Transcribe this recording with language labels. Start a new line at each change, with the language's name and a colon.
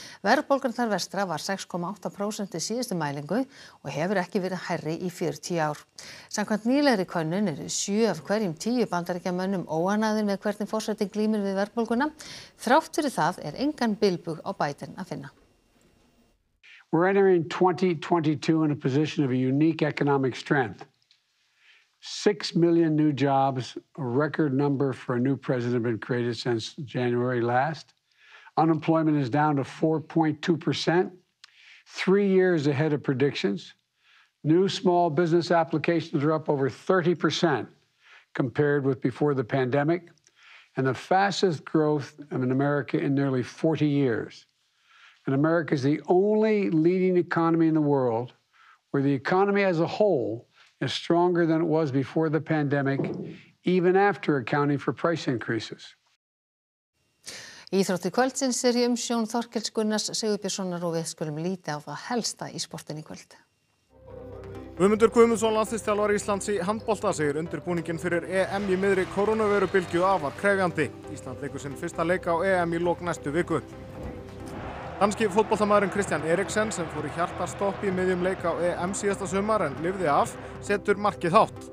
Icelandic: Verðbólgan þar vestra var 6,8% í síðustu mælingu og hefur ekki verið hærri í 40 ár. Samkvæmt nýlegri könnun eru 7 af hverjum 10 Bandaríkjamönnum óánægðir með hvernig forseti glímir við verðbólguna. Þrátt fyrir það engan bilbug á Biden að finna.
English: We're entering 2022 in a position of a unique economic strength. 6 million new jobs, a record number for a new president been created since January last. Unemployment is down to 4.2%, 3 years ahead of predictions. New small business applications are up over 30% compared with before the pandemic, and the fastest growth in America in nearly 40 years. And America is the only leading economy in the world where the economy as a whole is stronger than it was before the pandemic, even after accounting for price increases.
Icelandic: Íþróttir kvöldsins er í umsjón Þorkels Gunnars Sigurbjörnssonar og við skulum líta á það helsta í sportinni kvöld. Guðmundur Guðmundsson landsliðsþjálfari Íslands í handbolta segir undirbúningin fyrir EM í miðri koronaveirubylgju afar krefjandi. Ísland leikur sinn fyrsta leik á EM í lok næstu viku. Danski fótboltamaðurinn Kristján Eriksen sem fór í hjartastopp í miðjum leik á EM síðasta sumar en lifði af, setur markið hátt.